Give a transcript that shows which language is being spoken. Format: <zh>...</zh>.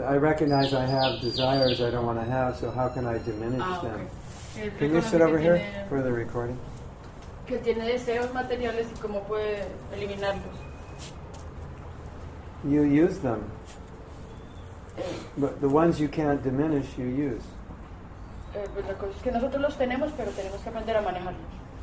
<en>I recognize I have desires I don't want to have, so how can I diminish them? Can you sit over here for the recording?</en> <es>Que tiene deseos materiales y cómo puede eliminarlos.</es> <en>You use them. But the ones you can't diminish, you use.</en> <es>Que nosotros los tenemos, pero tenemos que aprender a manejarlos.</es>